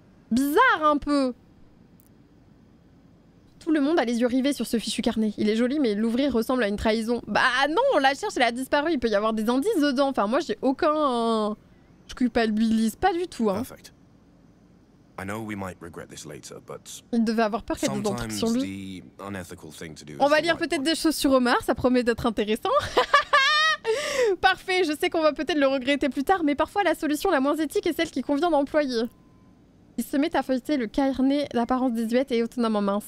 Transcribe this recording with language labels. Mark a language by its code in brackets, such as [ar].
[fr] bizarre un peu. Tout le monde a les yeux rivés sur ce fichu carnet. Il est joli, mais l'ouvrir ressemble à une trahison. Bah non, on la cherche, elle a disparu. Il peut y avoir des indices dedans. Enfin, moi, j'ai aucun... Je culpabilise pas du tout, hein. [en] Perfect. I know we might regret this later, but... [fr] Il devait avoir peur qu'il y ait des trucs sur lui. [en] Unethical thing to do [fr] on va lire right peut-être des choses sur Omar, ça promet d'être intéressant. Parfait, je sais qu'on va peut-être le regretter plus tard, mais parfois, la solution la moins éthique est celle qui convient d'employer. Il se met à feuilleter le carnet d'apparence désuète et autonome en main.